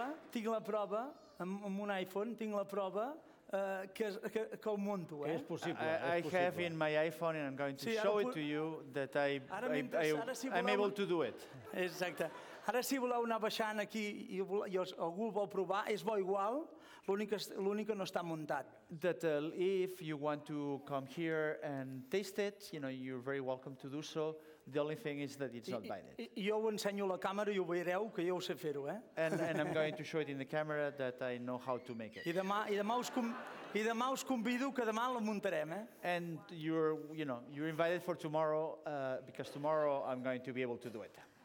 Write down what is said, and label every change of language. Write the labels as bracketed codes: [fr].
[ca] Tinc la prova amb un iPhone, tinc la prova que ho munto, eh? És possible, és possible. [en] I have in my iPhone and I'm going to show it to you that I'm able to do it. [ca] Exacte. Ara si voleu anar baixant aquí I algú vol provar, és bo igual, l'únic que no està muntat. [en] That if you want to come here and taste it, you know, you're very welcome to do so. The only thing is that it's not binded. [ca] Jo ho ensenyo a la càmera I ho veureu, que jo ho sé fer-ho, eh? [en] And I'm going to show it in the camera that I know how to make it. [ca] I demà us convido que demà la muntarem, eh? [en] And you're invited for tomorrow, because tomorrow I'm going to be able to do it.